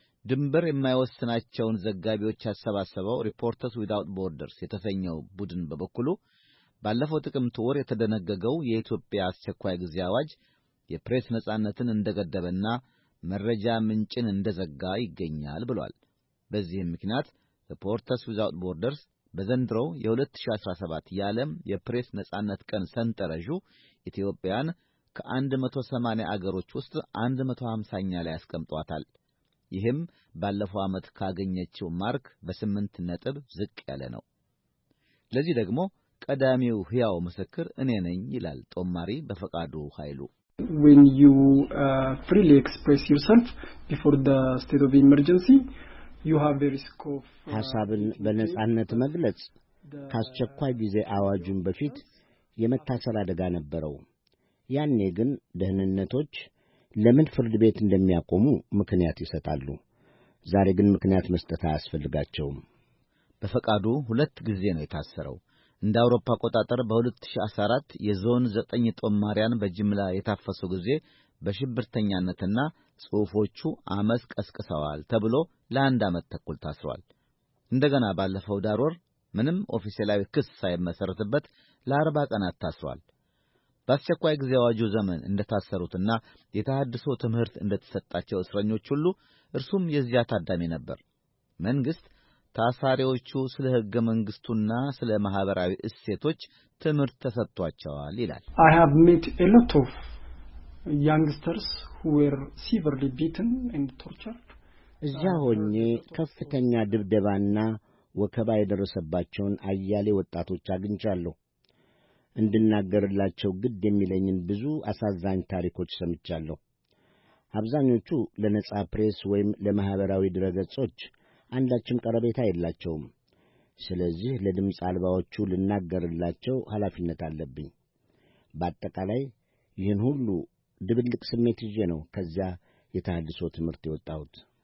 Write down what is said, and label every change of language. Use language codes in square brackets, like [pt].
[am] ድንበር የማይወስናቸውን ዘጋቢዎች ያሰባሰበው ሪፖርተርስ ዊዝአውት ቦርደርስ የተሰኘው ቡድን በበኩሉ ባለፈው ጥቅምት ወር የተደነገገው የኢትዮጵያ አስቸኳይ ጊዜ አዋጅ የፕሬስ ነጻነትን እንደገደበና መረጃ ምንጭን እንደዘጋ ይገኛል ብሏል። በዚህም ምክንያት ሪፖርተርስ ዊዝአውት ቦርደርስ በዘንድሮው የ2017 የዓለም የፕሬስ ነጻነት ቀን ሰንጠረዡ ኢትዮጵያን ከ180 አገሮች ውስጥ 150ኛ ላይ አስቀምጧታል። ይህም ባለፈው ዓመት ካገኘችው ማርክ በ8 ነጥብ ዝቅ ያለ ነው። ለዚህ ደግሞ ቀዳሚው ሕያው ምስክር እኔ ነኝ ይላል ጦማሪ በፈቃዱ ኃይሉ። [en] When you freely express yourself before the state of emergency, you have a risk of [am] ሐሳብን በነጻነት መግለጽ ካስቸኳይ ጊዜ አዋጁን በፊት የመታሰር አደጋ ነበረው። ያኔ ግን ደህንነቶች ለምን ፍርድ ቤት እንደሚያቆሙ ምክንያት ይሰጣሉ። ዛሬ ግን ምክንያት መስጠት አያስፈልጋቸውም። በፈቃዱ ሁለት ጊዜ ነው የታሰረው። እንደ አውሮፓ ቆጣጣር በ2014 የዞን 9 ጦማሪያን በጅምላ የታፈሱ ጊዜ በሽብርተኛነትና ጽሑፎቹ አመስ ቀስቀሰዋል ተብሎ ለአንድ አመት ተኩል ታስሯል። እንደገና ባለፈው ዳር ወር ምንም ኦፊሴላዊ ክስ ሳይመሰረትበት ለ40 ቀናት ታስሯል። በአስቸኳይ ጊዜ አዋጁ ዘመን እንደታሰሩትና የተሐድሶ ትምህርት እንደተሰጣቸው እስረኞች ሁሉ እርሱም የዚያ ታዳሚ ነበር። መንግስት ታሳሪዎቹ ስለ ህገ መንግስቱና ስለ ማህበራዊ እሴቶች ትምህርት ተሰጥቷቸዋል ይላል። [en] I have met a lot of youngsters who were severely beaten and tortured. [am] እዚያ ሆኜ ከፍተኛ ድብደባና ወከባ የደረሰባቸውን አያሌ ወጣቶች አግኝቻለሁ። እንድናገርላቸው ግድ የሚለኝን ብዙ አሳዛኝ ታሪኮች ሰምቻለሁ። አብዛኞቹ ለነጻ ፕሬስ ወይም ለማህበራዊ ድረገጾች አንዳችም ቀረቤታ የላቸውም። ስለዚህ ለድምጽ አልባዎቹ ልናገርላቸው ኃላፊነት አለብኝ። በአጠቃላይ ይህን ሁሉ ድብልቅ ስሜት ይዤ ነው ከዚያ የተሐድሶ ትምህርት የወጣሁት።